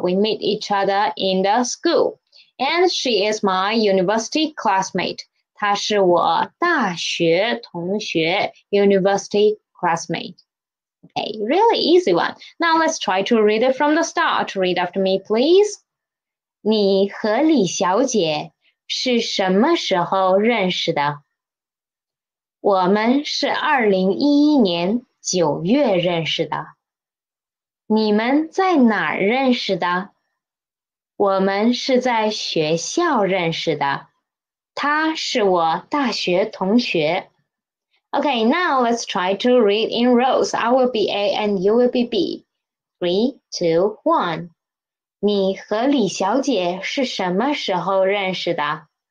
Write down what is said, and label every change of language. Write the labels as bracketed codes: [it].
[en] We meet each other in the school. And she is my university classmate. [zh] 她是我大学同学, [en] university classmate. Okay, really easy one. Now let's try to read it from the start. Read after me, please. [zh] 你和李小姐是什么时候认识的? 我们是2011年9月认识的。你们在哪儿认识的? 我们是在学校认识的。她是我大学同学。 [en] Okay, now let's try to read in rows. I will be A and you will be B. 3, 2, 1. [zh] 你和李小姐是什么时候认识的?